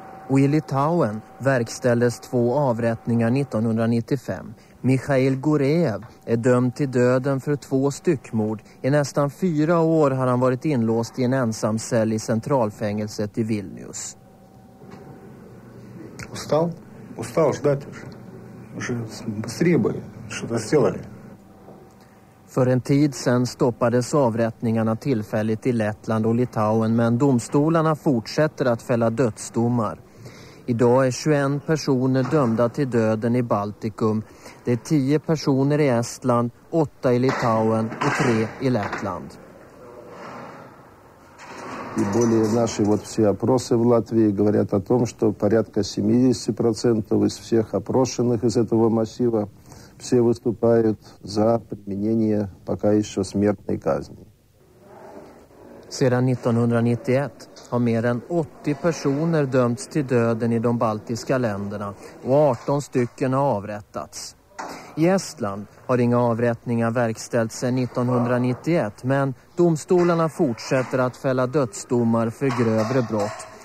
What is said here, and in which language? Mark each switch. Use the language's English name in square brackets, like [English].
[Swedish] Och i Litauen verkställdes två avrättningar 1995. Mikhail Gorev är dömd till döden för två styckmord. I nästan fyra år har han varit inlåst i en ensam cell i centralfängelset i Vilnius. [Russian] Устал? Устал ждать уже. Уже быстрее бы что-то сделали. [Swedish] För en tid sen stoppades avrättningarna tillfälligt i Lettland och Litauen, men domstolarna fortsätter att fälla dödsdomar. Idag är 21 personer dömda till döden i Baltikum. Det är 10 personer i Estland, 8 i Litauen och 3 i Lettland. [Russian] И более наши вот все опросы в Латвии говорят о том, что порядка 70% из всех опрошенных из этого массива все выступают за применение пока ещё смертной казни. [Swedish] Sedan 1991 har mer än 80 personer dömts till döden i de baltiska länderna och 18 stycken har avrättats. I Estland har inga avrättningar verkställts sedan 1991, men domstolarna fortsätter att fälla dödsdomar för grövre brott.